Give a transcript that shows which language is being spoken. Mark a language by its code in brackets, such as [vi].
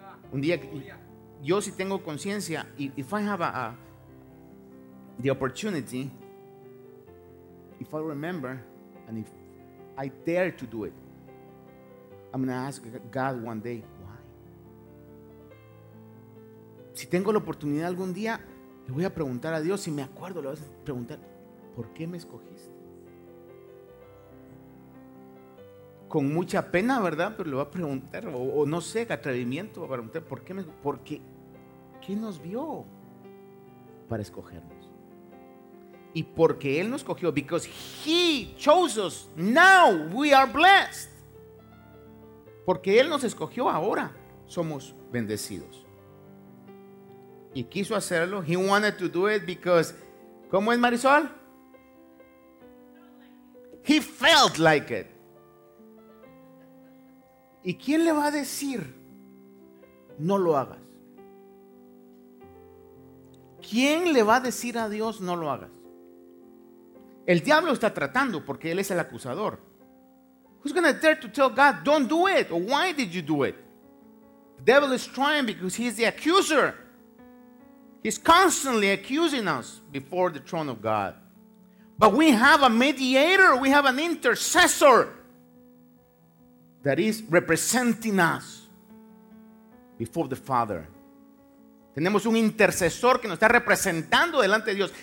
[es] Un día, yo si tengo conciencia, [en] if I have the opportunity, if I remember, and if I dare to do it, I'm going to ask God one day, why? [es] Si tengo la oportunidad algún día, le voy a preguntar a Dios, si me acuerdo, le voy a preguntar, ¿por qué me escogiste? Con mucha pena, ¿verdad? Pero le voy a preguntar, o no sé, atrevimiento, a preguntar, ¿por qué me escogiste? Porque, ¿qué nos vio para escogernos? Y porque Él nos escogió, [en] because He chose us, [es] now we are blessed. Porque Él nos escogió, ahora somos bendecidos. Y quiso hacerlo. [en] He wanted to do it because, [es] ¿cómo es, [en] Marisol? He felt like it. [es] ¿Y quién le va a decir no lo hagas? ¿Quién le va a decir a Dios no lo hagas? El diablo está tratando porque él es el acusador. [en] Who's going to dare to tell God, don't do it? Or why did you do it? The devil is trying because he is the accuser. He's constantly accusing us before the throne of God. But we have a mediator, we have an intercessor that is representing us before the Father. [es] Tenemos un intercesor que nos está representando delante de Dios.